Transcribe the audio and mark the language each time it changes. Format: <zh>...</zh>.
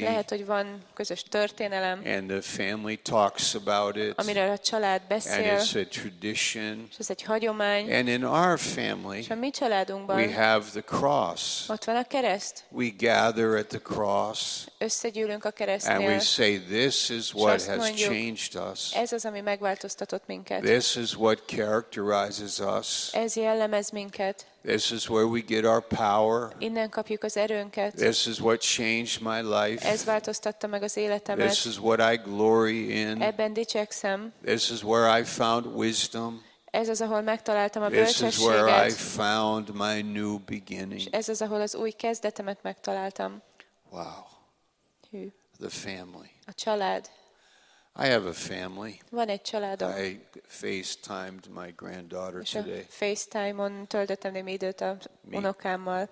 <hu>lehet, hogy van közös történelem,</hu> <en>and the family talks about it,</en> <hu>amiről a család beszél,</hu> <en>and it's a tradition,</en> <hu>és ez egy hagyomány,</hu> <en>and in our family,</en> <hu>és a mi családunkban,</hu> <en>we have the cross,</en> <hu>ott van a kereszt,</hu> <en>we gather at the cross,</en> <hu>összegyűlünk a keresztnél,</hu> <en>and we say, this is what has changed us,</en> <hu>ez az, ami megváltoztatott minket,</hu> <en>this is what characterizes us.</en> <hu>Ez jellemez minket.</hu> <en>This is where we get our power.</en> <hu>Innen kapjuk az erőnket.</hu> <en>This is what changed my life.</en> <hu>Ez változtatta meg az életemet.</hu> <en>This is what I glory in.</en> <hu>Ebben dicsekszem.</hu> <en>This is where I found wisdom.</en> <hu>Ez az, ahol megtaláltam a</hu> <en>this</en> <hu>bölcsességet.</hu> <en>This is where I found my new beginning.</en> <hu>És ez az, ahol az új kezdetemet megtaláltam.</hu> <en>Wow.</en> <hu>Hű.</hu> <en>The family.</en> <hu>A család.</hu> <en>I have a family.</en> <hu>Van egy családom.</hu> <en>I FaceTimed my granddaughter</en> <hu>és</hu> <en>today.</en> <hu>FaceTime-on töltöttem némi időt a unokámmal.</hu>